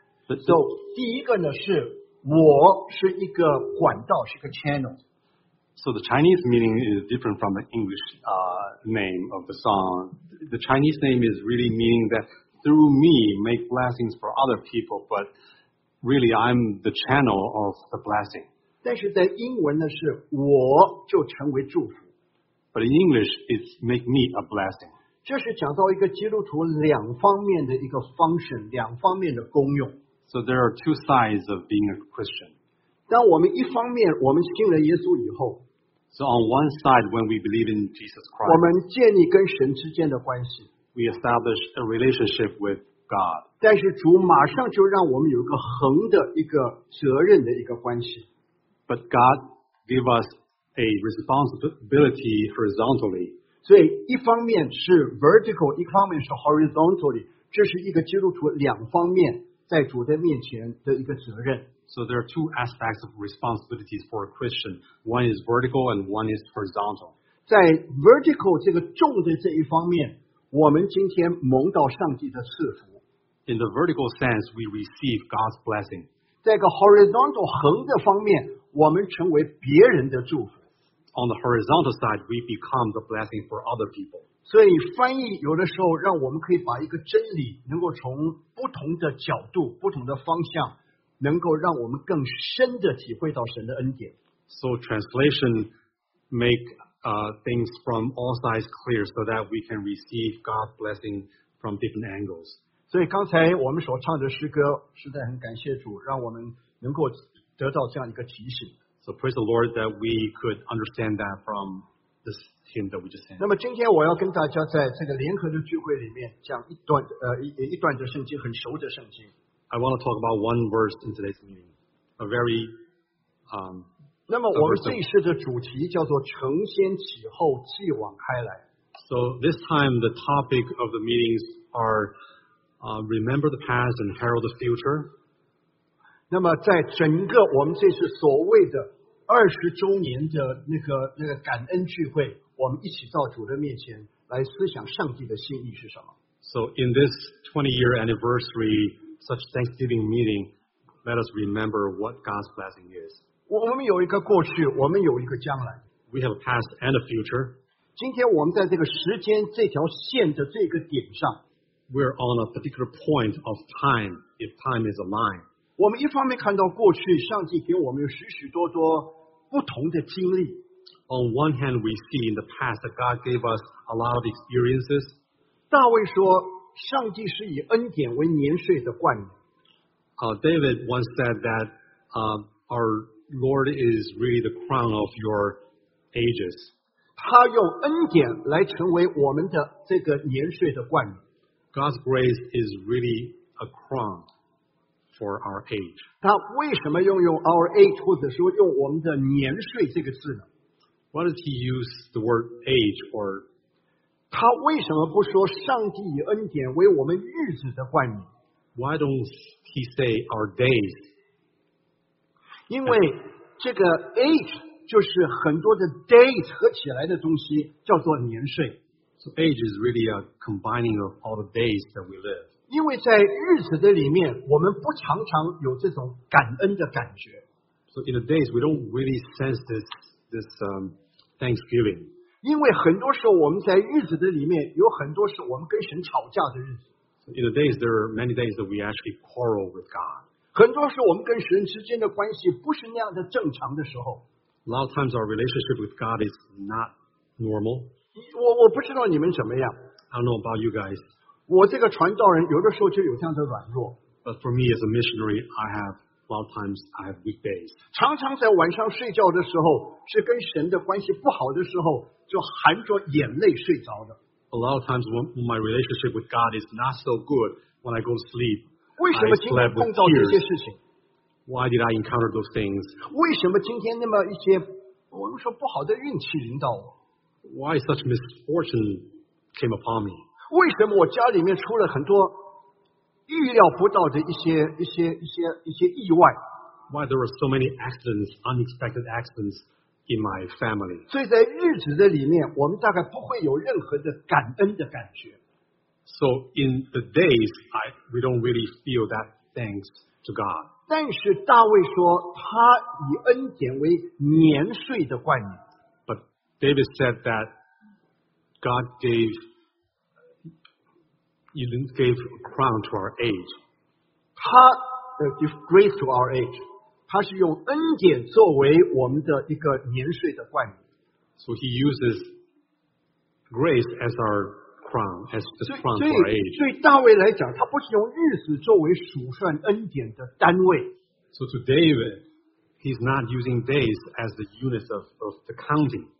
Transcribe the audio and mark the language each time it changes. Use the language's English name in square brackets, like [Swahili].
[Chinese] So 第一个呢是。我是一个管道，是一个 channel. [English] So the Chinese meaning is different from the English name of the song. The Chinese name is really meaning that through me make blessings for other people, but really I'm the channel of the blessing. [Chinese] 但是在英文呢是我就成为祝福。 [English] But in English it's make me a blessing. [Chinese] 这是讲到一个基督徒两方面的一个 function, 两方面的功用。 [English] So there are two sides of being a Christian. [Chinese] 当我们一方面我们信了耶稣以后 [English] So on one side when we believe in Jesus Christ, [Chinese] 我们建立跟神之间的关系 [English] We establish a relationship with God. [Chinese] 但是主马上就让我们有一个恒的一个责任的一个关系 [English] But God gave us a responsibility horizontally. [Chinese] 所以一方面是 vertical, 一方面是 horizontally, 这是一个基督徒两方面在主的面前的一个责任。 [English] So there are two aspects of responsibilities for a Christian. One is vertical and one is horizontal. [Chinese] 在 vertical 这个重的这一方面，我们今天蒙到上帝的赐福。 [English] In the vertical sense, we receive God's blessing. [Chinese] 在个 horizontal 横的方面，我们成为别人的祝福。 [English] On the horizontal side, we become the blessing for other people. [Chinese] 所以翻译有的时候让我们可以把一个真理能够从不同的角度不同的方向能够让我们更深的体会到神的恩典 [English] So translation make things from all sides clear so that we can receive God's blessing from different angles [Chinese] 所以刚才我们所唱的诗歌实在很感谢主让我们能够得到这样一个提醒 [English] So praise the Lord that we could understand that from this That we just [Chinese] 那么今天我要跟大家在这个联合的聚会里面讲一段一段的圣经很熟的圣经。 [English] I want to talk about one verse in today's meeting, a very [Chinese] 那么我们这一世的主题叫做承先启后，继往开来。 [English] So this time the topic of the meetings are remember the past and herald the future. [Chinese] 那么在整个我们这次所谓的二十周年的那个感恩聚会。我们一起到主的面前来思想上帝的心意是什么 [English] So in this 20-year anniversary such Thanksgiving meeting let us remember what God's blessing is [Chinese] 我们有一个过去我们有一个将来 [English] We have a past and a future [Chinese] 今天我们在这个时间这条线的这个点上 [English] We're on a particular point of time if time is a line [Chinese] 我们一方面看到过去上帝给我们有许许多多不同的经历 [English] On one hand, we see in the past that God gave us a lot of experiences. [Chinese] 大卫说，上帝是以恩典为年岁的冠冕。 [English] David once said that our Lord is really the crown of your ages. [Chinese] 他用恩典来成为我们的这个年岁的冠冕。 [English] God's grace is really a crown for our age. [Chinese] 他为什么用 [English] our age [Chinese] 或者说用我们的年岁这个字呢？ [English] Why does he use the word age or [Chinese] 他为什么不说上帝以恩典为我们日子的冠冕？ [English] Why don't he say our days? [Chinese] 因为这个 age 就是很多的 days 合起来的东西，叫做年岁。 [English] So age is really a combining of all the days that we live. [Chinese] 因为在日子的里面，我们不常常有这种感恩的感觉。 [English] So in the days, we don't really sense this thanksgiving. [Chinese] 因为很多时候我们在日子的里面有很多是我们跟神吵架的日子。 [English] So in the days, there are many days that we actually quarrel with God. [Chinese] 很多时候我们跟神之间的关系不是那样的正常的时候。 [English] A lot of times our relationship with God is not normal. [Chinese] 我不知道你们怎么样。 [English] I don't know about you guys. [Chinese] 我这个传道人有的时候就有这样的软弱。 [English] But for me as a missionary, I have... A lot of times I have weak days. [Chinese] 常常在晚上睡觉的时候，是跟神的关系不好的时候，就含着眼泪睡着的。 [English] A lot of times when my relationship with God is not so good, when I go to sleep, [Chinese] 为什么今天碰到这些事情？ [English] Why did I encounter those things? [Chinese] 为什么今天那么一些，我们说不好的运气临到我？ [English] Why such misfortune came upon me? [Chinese] 为什么我家里面出了很多预料不到的一些意外。 [English] Why there were so many accidents, unexpected accidents in my family? [Chinese] 所以在日子的里面，我们大概不会有任何的感恩的感觉。 [English] So in the days, we don't really feel that thanks to God. [Chinese] 但是大卫说，他以恩典为年岁的冠冕。 [English] But David said that God gave. You didn't give a crown to our age. 他 give grace to our age. [Chinese] 他是用恩典作为我们的一个年岁的冠冕。 [English] So he uses grace as our crown, as the crown to our age. [Chinese] 对大卫来讲，他不是用日子作为数算恩典的单位。 [English] So to David, he's not using days as the unit of the counting.